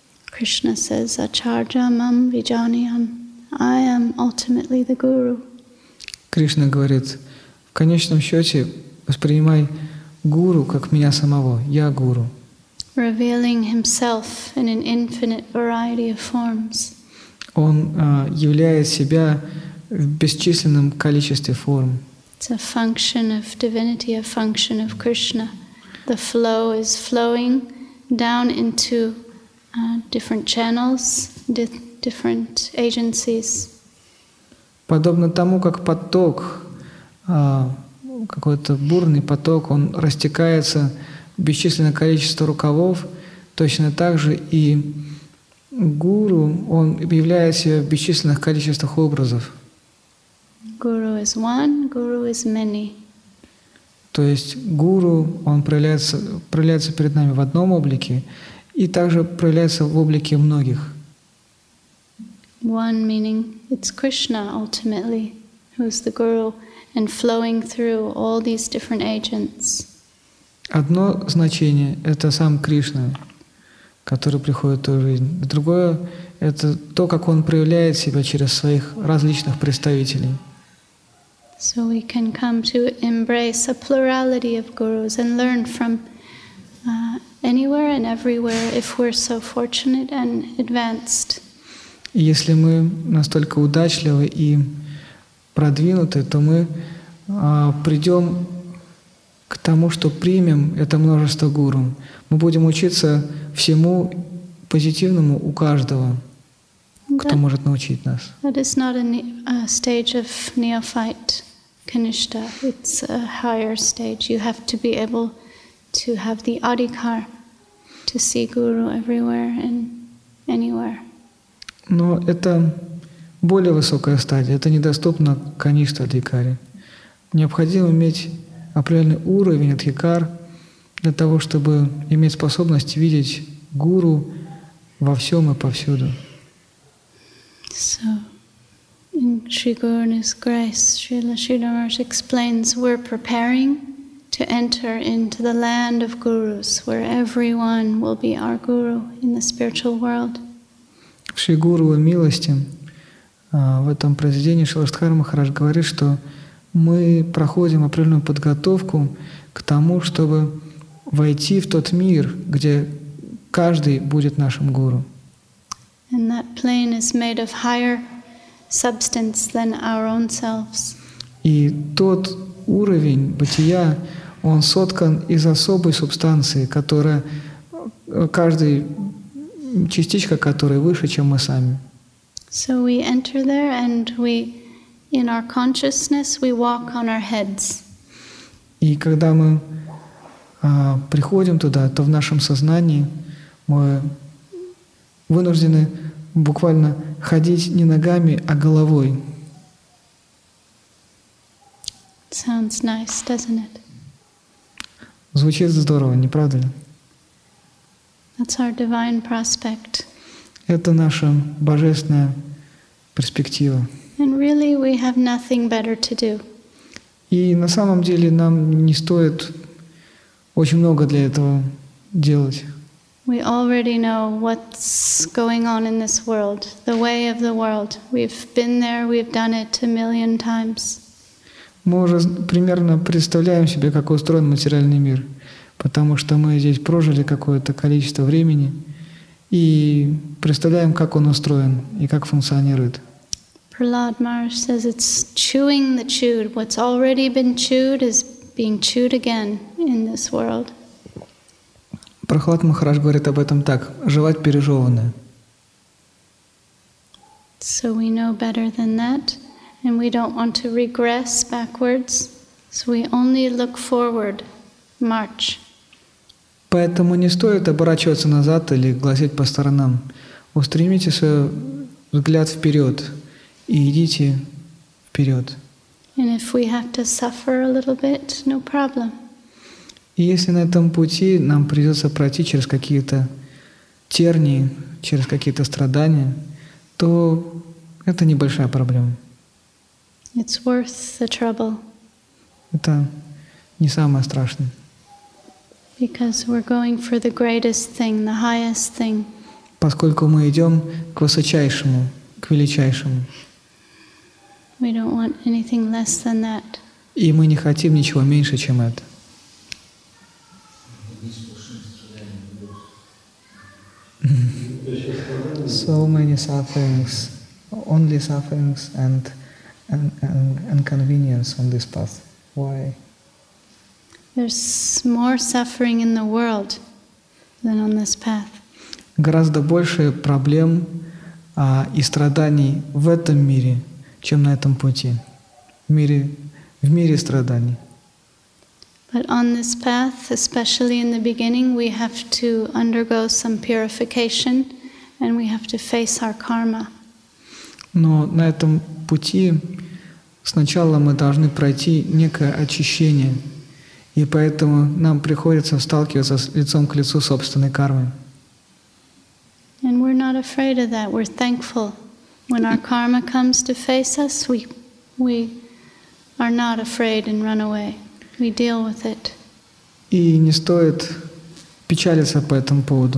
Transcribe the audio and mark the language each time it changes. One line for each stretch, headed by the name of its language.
English: Krishna says,
Sanskrit: Acharyamam Vijaniyam,
English: I am ultimately the guru.
Russian: Кришна говорит, в конечном счете воспринимай гуру как меня самого, я гуру.
English: Revealing himself in an infinite variety of forms.
Russian: Он являет себя в бесчисленном количестве форм.
English: It's a function of divinity, a function of Krishna. The flow is flowing down into different channels, different agencies.
Russian: Подобно тому, как поток, какой-то бурный поток, он растекается в бесчисленное количество рукавов, точно так же и гуру, он являет себя в бесчисленных количествах образов.
English: Guru is one, guru is many.
Russian: То есть гуру, он проявляется перед нами в одном облике и также проявляется в облике многих.
English: One meaning it's Krishna ultimately who is the guru and flowing through all these different agents.
Russian: Одно значение — это сам Кришна, который приходит в ту жизнь. Другое — это то, как он проявляет себя через своих различных представителей.
English: So we can come to embrace a plurality of gurus and learn from anywhere and everywhere if we're so fortunate and advanced.
Russian: Если мы настолько удачливы и продвинуты, то мы придем к тому, что примем это множество гуру. Мы будем учиться всему позитивному у каждого, кто может научить нас.
English: That is not a stage of neophyte. Kanishta, it's a higher stage. You have to be able to have the adhikar to see guru everywhere and anywhere.
Russian: Но это более высокая стадия. Это недоступно каништа адхикаре. Необходимо иметь определенный уровень адхикар для того, чтобы иметь способность видеть гуру во всем и повсюду.
English: So. In Sri Guru's grace, Srila Sridharmaraj explains, we're preparing to enter into the land of gurus, where everyone will be our guru in the spiritual world.
Russian: В Шри Гуру и милости, в этом произведении Шрила Шридхара Махарадж говорит, что мы проходим определенную подготовку к тому, чтобы войти в тот мир, где каждый будет нашим гуру.
English: And that plane is made of higher substance than our own selves.
Russian: И тот уровень бытия, он соткан из особой субстанции, которая каждый частичка которой выше, чем мы сами.
English: So we enter there and we in our consciousness we walk on our heads.
Russian: И когда мы приходим туда, то в нашем сознании мы вынуждены буквально ходить не ногами, а головой.
English: Sounds nice, doesn't it?
Russian: Звучит здорово, не правда ли?
English: That's our divine prospect.
Russian: Это наша божественная перспектива.
English: And really we have nothing better to do.
Russian: И на самом деле нам не стоит очень много для этого делать.
English: We already know what's going on in this world, the way of the world. We've been there, we've done it a million times.
Russian: Мы уже примерно представляем себе, как устроен материальный мир, потому что мы здесь прожили какое-то количество времени и представляем, как он устроен и как функционирует.
English: Prahlad Maharaj says it's chewing the chewed. What's already been chewed is being chewed again in this world.
Russian: Прохлад Махарадж говорит об этом так: жевать пережеванное.
English: So we know better than that, and we don't want to regress backwards, so we only look forward, march.
Russian: Поэтому не стоит оборачиваться назад или глазеть по сторонам. Устремите свой взгляд вперед и идите вперед.
English: And if we have to suffer a little bit, no problem.
Russian: И если на этом пути нам придется пройти через какие-то тернии, через какие-то страдания, то это небольшая проблема.
English: It's worth the trouble.
Russian: Это не самое страшное.
English: Because we're going for the greatest thing, the highest thing.
Russian: Поскольку мы идем к высочайшему, к величайшему.
English: We don't want anything less than that.
Russian: И мы не хотим ничего меньше, чем это.
English: So many sufferings, only sufferings and inconvenience on this path. Why? There's more suffering in the world than on this path.
Russian: Гораздо больше проблем и страданий в этом мире, чем на этом пути. В мире страданий.
English: But on this path, especially in the beginning, we have to undergo some purification and we have to face our karma.
Russian: Но на этом пути сначала мы должны пройти некое очищение, и поэтому нам приходится сталкиваться лицом к лицу с собственной кармой.
English: And we're not afraid of that. We're thankful. When our karma comes to face us, we are not afraid and run away. We deal with it.
Russian: И не стоит печалиться по этому поводу.